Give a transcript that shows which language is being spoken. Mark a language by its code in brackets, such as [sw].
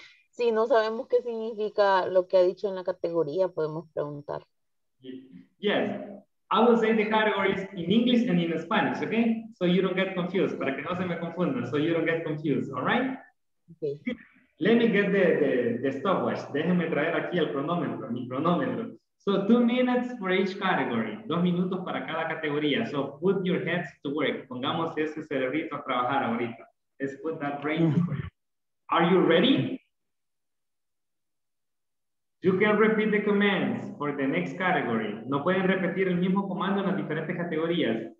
[es] Si no sabemos qué significa lo que ha dicho en la categoría, podemos preguntar. [en] Yes. I will say the categories in English and in Spanish, okay? So you don't get confused. [es] Para que no se me confundan. [en] So you don't get confused, all right? Okay. Let me get the stopwatch. [es] Déjenme traer aquí el cronómetro, mi cronómetro. [en] So 2 minutes for each category. [es] 2 minutos para cada categoría. [en] So put your heads to work. [es] Pongamos ese cerebrito a trabajar ahorita. [en] Let's put that brain to work. Are you ready? You can repeat the commands for the next category. [es] No pueden repetir el mismo comando en las diferentes categorías.